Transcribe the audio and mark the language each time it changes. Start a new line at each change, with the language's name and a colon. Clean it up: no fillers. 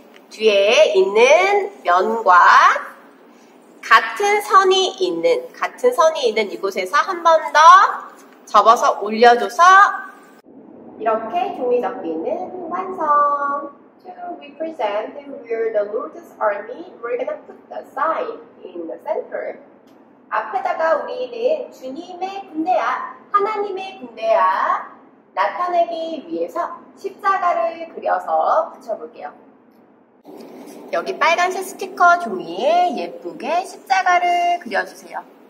Korean: 뒤에 있는 면과 같은 선이 있는 이곳에서 한 번 더 접어서 올려줘서 이렇게 종이 접기는 완성.
English: To represent that we're the Lord's army, we're gonna put the sign in the center.
Korean: 앞에다가 우리는 주님의 군대야, 하나님의 군대야 나타내기 위해서 십자가를 그려서 붙여볼게요. 여기 빨간색 스티커 종이에 예쁘게 십자가를 그려주세요.